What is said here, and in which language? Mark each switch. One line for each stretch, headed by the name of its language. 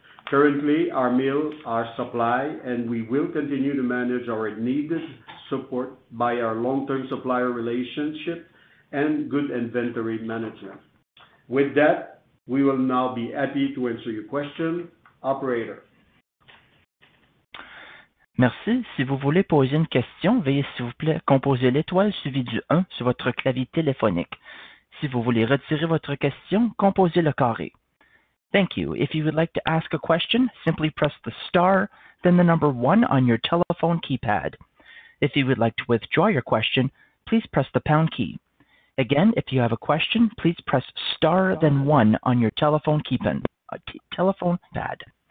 English: Currently, our mills are supplied, and we will continue to manage our needed support by our long-term supplier relationship and good inventory management. With that, we will now be happy to answer your question. Operator.
French: Merci. Si vous voulez poser une question, veuillez s'il vous plaît composer l'étoile suivie du 1 sur votre clavier téléphonique. Si vous voulez retirer votre question, composez le carré.
English: Thank you. If you would like to ask a question, simply press the star, then the number 1 on your telephone keypad. If you would like to withdraw your question, please press the pound key. Again, if you have a question, please press star, then 1 on your telephone keypad. Telephone pad.